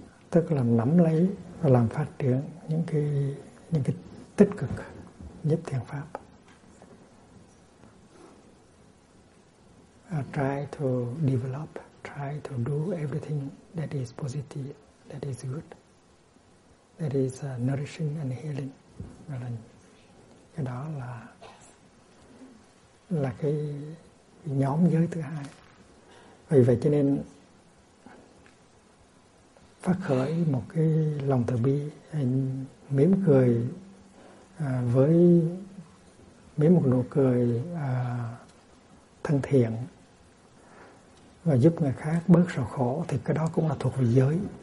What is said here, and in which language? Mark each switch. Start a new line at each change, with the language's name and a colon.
Vietnamese: Tức là nắm lấy và làm phát triển những cái tích cực nhiếp thiền pháp.
English: Try to do everything that is positive, that is good, that is nourishing and healing.
Vietnamese: Và cái đó là cái nhóm giới thứ hai. Vì vậy cho nên phát khởi một cái lòng từ bi, mỉm cười với mỉm một nụ cười thân thiện và giúp người khác bớt sầu khổ, thì cái đó cũng là thuộc về giới.